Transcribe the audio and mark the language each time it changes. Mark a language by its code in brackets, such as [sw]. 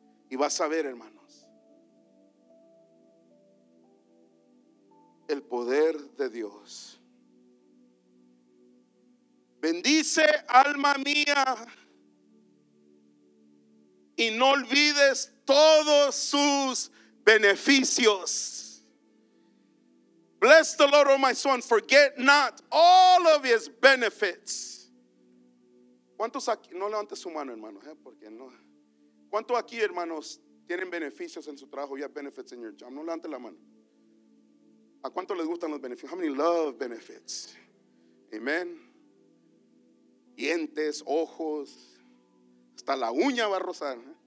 [es] Y vas a ver, hermanos, el poder de Dios. Bendice, alma mía, y no olvides todos sus beneficios. [en] Bless the Lord, oh my son, forget not all of his benefits. [es] ¿Cuántos aquí? No levantes su mano, hermano, porque no. ¿Cuántos aquí, hermanos, tienen beneficios en su trabajo? [en] You have benefits in your job. [es] No levantes la mano. ¿A cuánto les gustan los beneficios? [en] How many love benefits? Amen. [es] Dientes, ojos, hasta la uña va a rozar.